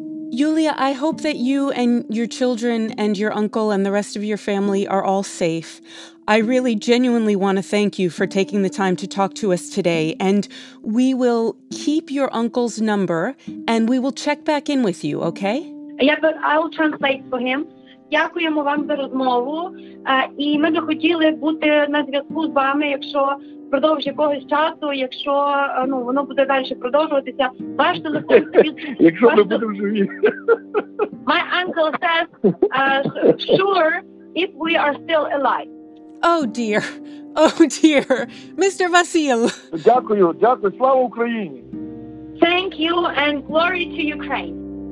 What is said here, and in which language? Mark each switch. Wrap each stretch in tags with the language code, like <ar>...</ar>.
<en>Yulia, I hope that you and your children and your uncle and the rest of your family are all safe. I really genuinely want to thank you for taking the time to talk to us today. And we will keep your uncle's number and we will check back in with you, okay? Yeah, but I'll translate for him.</en> <uk>Дякуємо вам за розмову. І ми б хотіли бути на зв'язку з вами, якщо впродовж якогось часу, якщо ну воно буде далі продовжуватися. Ваш телефон. Якщо ми будемо живі.</uk> <en>My uncle says, sure, if we are still alive. Oh dear. Oh dear. Mr. Vasil.</en> <uk>Дякую, дякую. Слава Україні.</uk> <en>Thank you and glory to Ukraine.</en>